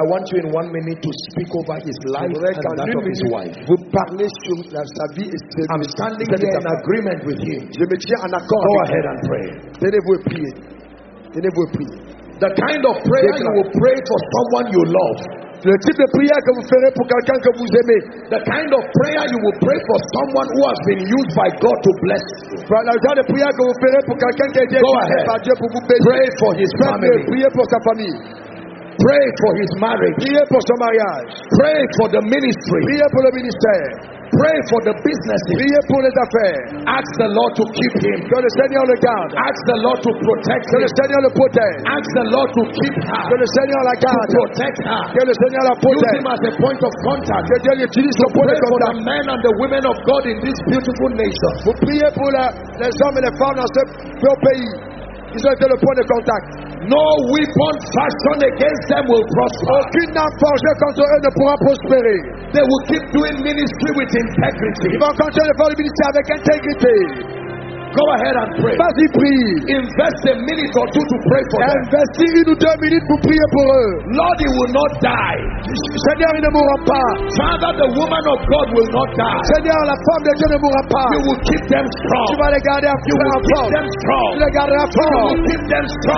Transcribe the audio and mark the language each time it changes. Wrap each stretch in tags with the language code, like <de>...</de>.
<en>I want you in 1 minute to speak over his life and that of his wife.</en> <fr>Vous parlez sur la, sa vie et ses</fr> <en>I'm standing here in agreement with him.</en> <fr>Je me tiens en accord.</fr> <en>Go ahead and pray.</en> <fr>Tenez-vous et priez. Tenez-vous.</fr> <en>The kind of prayer you will pray for someone you love.</en> <fr>Le type de prière que vous ferez pour quelqu'un que vous aimez.</fr> <en>The kind of prayer you will pray for someone who has been used by God to bless you.</en> <fr>Le genre de prière que vous ferez pour quelqu'un qui a été utilisé par Dieu pour vous bénir.</fr> <en>Pray for his family.</en> <fr>Priez pour sa famille.</fr> <en>Pray for his marriage.</en> <fr>Priez pour son mariage.</fr> <en>Pray for the ministry.</en> <fr>Priez pour le ministère.</fr> <en>Pray for the businesses.</en> <fr>Priez pour les affaires.</fr> <en>Ask the Lord to keep him.</en> <fr>Que le Seigneur le garde.</fr> <en>Ask the Lord to protect him.</en> <fr>Que le Seigneur le protège.</fr> <en>Ask the Lord to keep her.</en> <fr>Que le Seigneur la garde.</fr> <en>To protect her.</en> <fr>Que le Seigneur la protège.</fr> <en>Use him as a point of contact.</en> <fr>Que Dieu l'utilise comme point de contact.</fr> <en>Pray for the men and the women of God in this beautiful nation.</en> <fr>Vous priez pour les hommes et les femmes dans ce beau pays. Ils ont été le point de contact.</fr> <en>No weapon fashioned against them will prosper.</en> <fr>Aucune arme forgée contre eux ne pourra prospérer.</fr> <en>They will keep doing ministry with integrity.</en> <fr>Ils vont continuer de faire le ministère avec intégrité.</fr> <en>Go ahead and pray.</en> <fr>Vas-y, prie.</fr> <en>Invest a minute or two to pray for them.</en> <fr>Investis une ou deux minutes pour prier pour eux.</fr> <en>Lord, he will not die.</en> <fr>Seigneur, il ne mourra pas.</fr> <en>Father, the woman of God will not die.</en> <fr>Seigneur, la femme de Dieu ne mourra pas.</fr> <en>You will keep them strong.</en> <fr>Tu vas les garder fort.</fr> <en>You will keep them strong.</en> <fr>Tu les garderas fort.</fr> <en>You will keep them strong.</en>